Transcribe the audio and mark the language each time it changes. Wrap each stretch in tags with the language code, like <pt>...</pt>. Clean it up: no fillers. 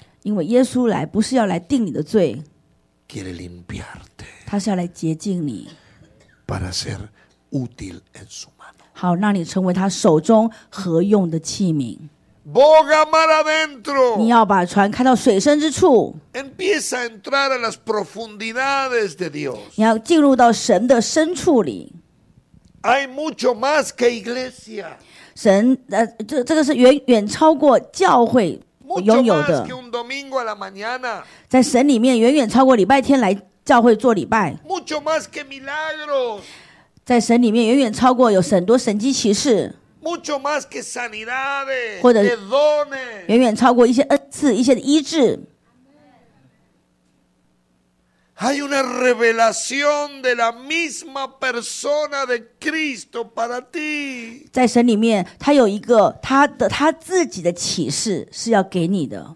<zh>因为耶稣来不是要来定你的罪。</zh> <es>Quiere limpiarte.</es> <zh>他是要来洁净你。</zh> <es>Para ser útil en su mano.</es> <zh>好，让你成为他手中合用的器皿。</zh> <es>Boga mar adentro.</es> <zh>你要把船开到水深之处。</zh> <es>Empieza a entrar a las profundidades de Dios.</es> <zh>你要进入到神的深处里。</zh> <es>Hay mucho más que iglesia.</es> <zh>神，这个是远超过教会拥有的。</zh> <es>Mucho más que un domingo a la mañana.</es> <zh>在神里面，远远超过礼拜天来教会做礼拜。</zh> <es>Mucho más que milagros.</es> <zh>在神里面远远超过有很多神迹奇事</zh> <es>mucho más que sanidades,</es> <zh>或者远远超过一些恩赐一些医治</zh> <es>Hay una revelación de la misma persona de Cristo para ti.</es> <zh>在神里面他有一个他自己的启示是要给你的</zh>